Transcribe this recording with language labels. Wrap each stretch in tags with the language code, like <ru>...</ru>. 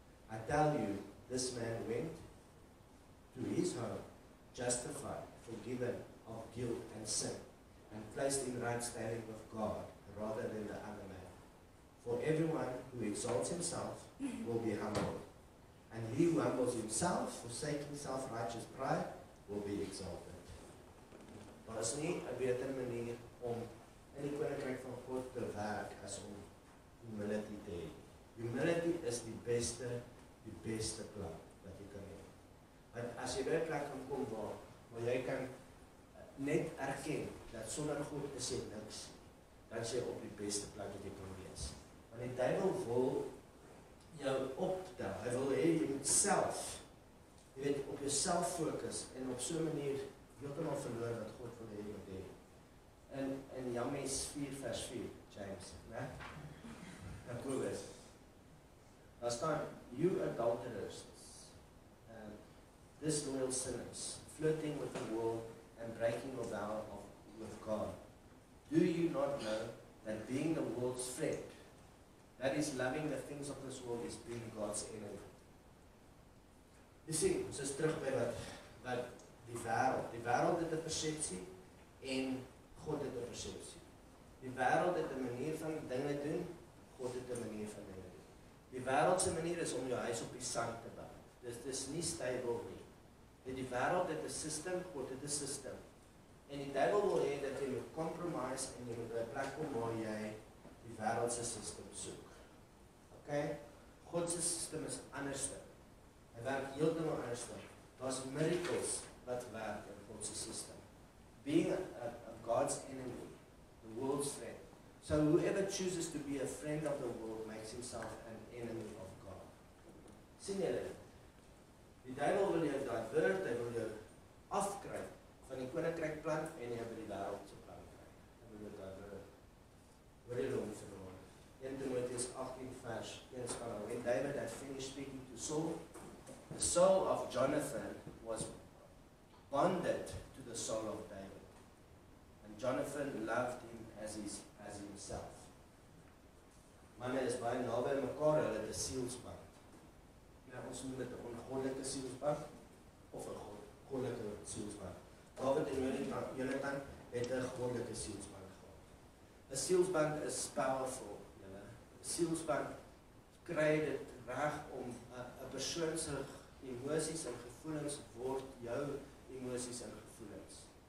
<en>I tell you, this man went to his home justified, forgiven of guilt and sin, and placed in right standing with God rather than the other man. For everyone who exalts himself will be humbled, and he who humbles himself, forsaking self-righteous pride, will be exalted.</en> <af>Daar is nie 'n beter manier om in die koninkryk van God te werk as om humility te hê. Humility is die beste plan wat jy kan hê. Want as jy by 'n plek kan kom waar jy kan net erken dat sonder God is jy niks, dat jy op die beste plek wat jy kan wees. Want die duivel wil jou optel, hy wil hê jy moet self, jy weet, op jouself fokus en op so 'n manier heeltemal verloor wat God wil hê jy moet hê. In James 4 vers 4, James, né? Dan kom dit. Daar staan,</af> <en>you adulterers, disloyal sinners, flirting with the world and breaking your vow with God. Do you not know that being the world's friend, that is loving the things of this world, is being God's enemy? You see, this is</en> <af>terug by wat die wêreld. Die wêreld het 'n persepsie en God het 'n persepsie. Die wêreld het 'n manier van dinge doen, God het 'n manier van dinge doen. Die wêreld se manier is om jou huis op die sand te bou. Dis nie stabiel nie. En die wêreld het 'n sisteem, God het 'n sisteem. En die duivel wil hê dat jy moet compromise en jy moet by 'n plek kom waar jy die wêreld se sisteem soek. OK? God se sisteem is anders. Hy werk heeltemal anders. Daar's miracles wat werk in God se sisteem.</af> <en>Being a God's enemy, the world's friend. So whoever chooses to be a friend of the world makes himself an enemy of God.</en> <af>Sien julle? Die duivel wil jou divert, hy wil jou afkry van die koninkryk plan en jy by die wêreld se plan kry. Hy wil jou divert. Hoor jy hom sê nou? 1 Timoteus 18 vers 1 staan daar:</af> <en>When David had finished speaking to Saul, the soul of Jonathan was bonded to the soul of David, and Jonathan loved him as himself.</en> <af>Manne is baie naby mekaar, hulle het 'n sielsband. Ja, ons noem dit 'n ongoddelike sielsband of 'n goddelike sielsband. David en Jonathan het 'n goddelike sielsband gehad. 'n Sielsband is powerful, julle. 'n Sielsband kry dit reg om 'n persoon se emosies en gevoelens word jou emosies en gevoelens.</af>